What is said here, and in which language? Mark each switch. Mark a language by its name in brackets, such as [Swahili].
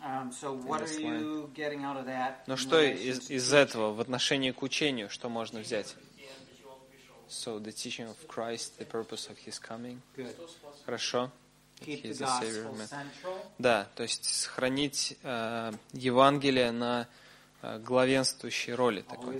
[English] So what are you getting out of that? [Russian] Ну что из этого в отношении к учению, что можно взять? [English] So the teaching of Christ, the purpose of his coming. Good. [Russian] Хорошо. [English] Keep the gospel central. [Russian] Да, то есть сохранить Евангелие на главенствующей роли такой.